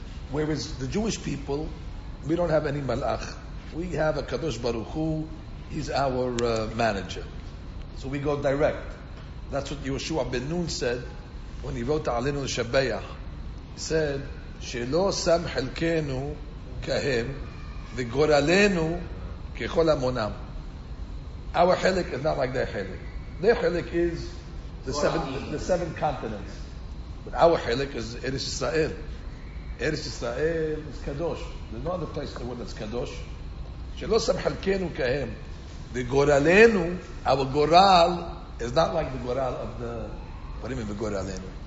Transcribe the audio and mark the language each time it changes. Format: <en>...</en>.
<en>Whereas the Jewish people, we don't have any Malach. We have a Kadosh Baruch Hu, he's our manager. So we go direct. That's what Yehoshua ben Nun said when he wrote the Alinu Shabayah.</en> <he>He said, שלא שם חלקנו כהם וגורלנו ככל המונם.</he> <en>Our חלק is not like their חלק. Their חלק is the seven continents. But our חלק is Eretz Yisrael. Eretz Yisrael is קדוש. There's no other place in the world that's קדוש.</en> <he>שלא שם חלקנו כהם וגורלנו,</he> <en>our גורל is not like the גורל of the... What do you mean בגורלנו?</en>